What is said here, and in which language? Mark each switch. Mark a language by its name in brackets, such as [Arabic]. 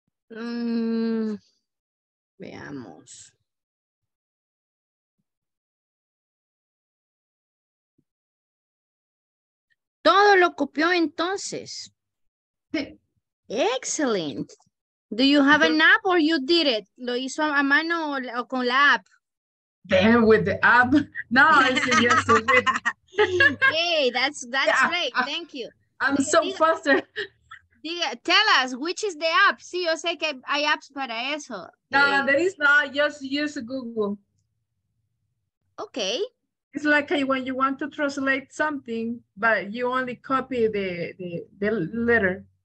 [Spanish] Veamos. Todo lo copió entonces. Excellent. [English] Do you have an app or you did it? [Spanish] ¿Lo hizo a mano o con la app? [English] Then with the app. No, I said yes. Hey, that's great. Thank you. I'm so faster. Tell us, which is the app? [Spanish] Sí, yo sé que hay apps para eso. [English] No, there is not. Just use Google. Okay. It's like when you want to translate something, but you only copy the letter.